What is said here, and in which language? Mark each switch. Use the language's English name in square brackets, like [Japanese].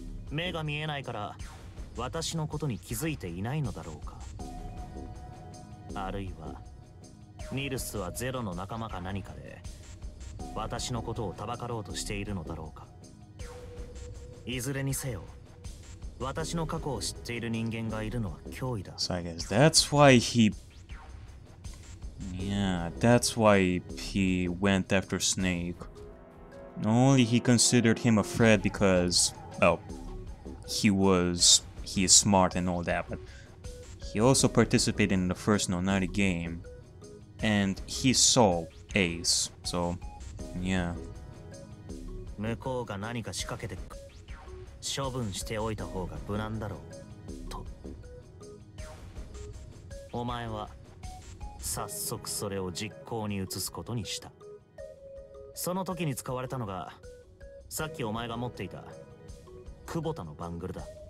[Japanese] 目が見えないから私のことに気づいていないのだろうか。あるいはニルスはゼロの仲間か何かで私のことをたばかろうとしているのだろうか。いずれにせよ私の過去を知っている人間がいるのは脅威だ。 [English] So I guess that's why he that's why he went after Snake. Only he considered him a friend because, well, he is smart and all that, but he also participated in the first Nonary game, and he saw Ace, so, yeah. [Japanese] 向こうが何か仕掛けて処分しておいた方が無難だろうと。お前は早速それを実行に移すことにした。その時に使われたのがさっきお前が持っていた久保田のバングルだ。